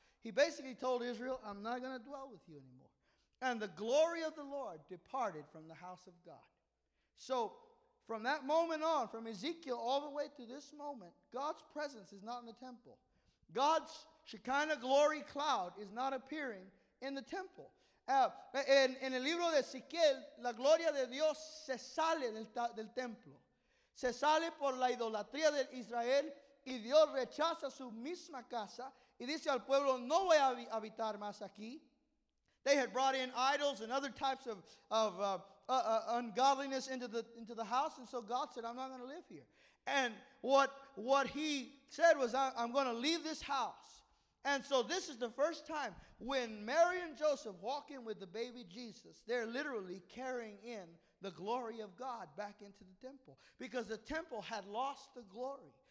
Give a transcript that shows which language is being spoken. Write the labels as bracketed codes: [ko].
[en] He basically told Israel, I'm not going to dwell with you anymore. And the glory of the Lord departed from the house of God. So from that moment on, from Ezekiel all the way to this moment, God's presence is not in the temple. God's Shekinah glory cloud is not appearing in the temple. [es] En el libro de Ezequiel, la gloria de Dios se sale del templo. Se sale por la idolatría de Israel, y Dios rechaza su misma casa y dice al pueblo, no voy a habitar más aquí. [en] They had brought in idols and other types of ungodliness into the house. And so God said, I'm not going to live here. And what he said was, I'm going to leave this house. And so this is the first time when Mary and Joseph walk in with the baby Jesus, they're literally carrying in the glory of God back into the temple, because the temple had lost the glory.